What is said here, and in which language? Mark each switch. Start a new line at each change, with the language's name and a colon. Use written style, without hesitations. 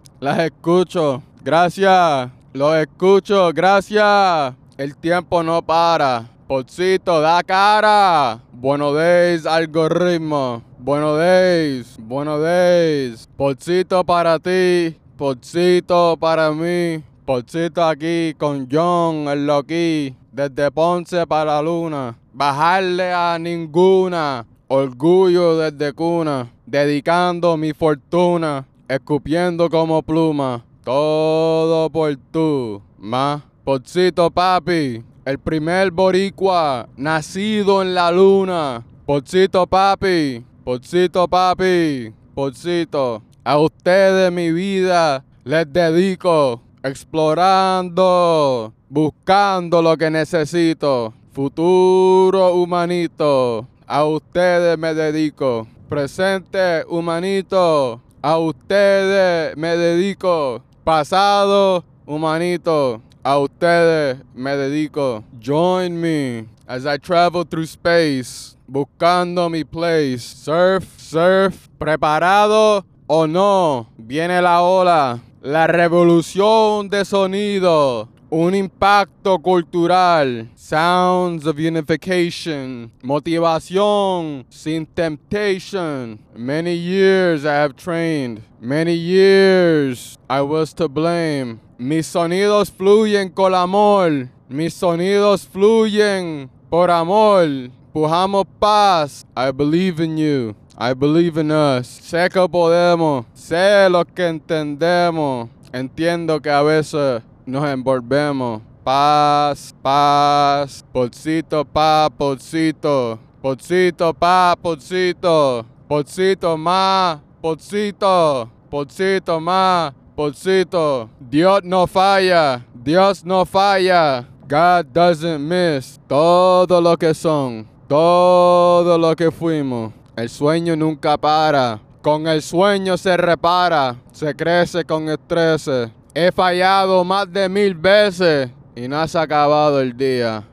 Spanish: Las escucho, gracias, los escucho, gracias, el tiempo no para, podcito, da cara, buenos days, algoritmo, buenos days, podcito para mí, podcito aquí con John, el loquí, desde Ponce para la luna, bajarle a ninguna, orgullo desde cuna, dedicando mi fortuna. Escupiendo como pluma, todo por tú, ma. Podcito papi, el primer boricua nacido en la luna. Podcito papi, podcito papi, podcito. A ustedes mi vida les dedico. Explorando, buscando lo que necesito. Futuro humanito, a ustedes me dedico. Presente humanito. A ustedes me dedico, pasado humanito, a ustedes me dedico.
English: Join me as I travel through space,
Spanish: buscando mi
English: place.
Spanish: Surf, surf, preparado o no, viene la ola, la revolución de sonido, un impacto cultural,
English: sounds of unification,
Spanish: motivación, sin temptation.
English: Many years I have trained, many years I was to blame.
Spanish: Mis sonidos fluyen con amor, mis sonidos fluyen por amor. Pujamos paz,
English: I believe in you, I believe in us.
Spanish: Sé que podemos, sé lo que entendemos, entiendo que a veces nos envolvemos. Paz, paz, podcito pa, podcito, podcito pa, podcito, podcito ma, podcito, podcito ma, podcito. Dios no falla, Dios no falla.
English: God doesn't miss.
Spanish: Todo lo que son, todo lo que fuimos. El sueño nunca para. Con el sueño se repara, se crece con estrés. He fallado más de 1000 veces y no has acabado el día.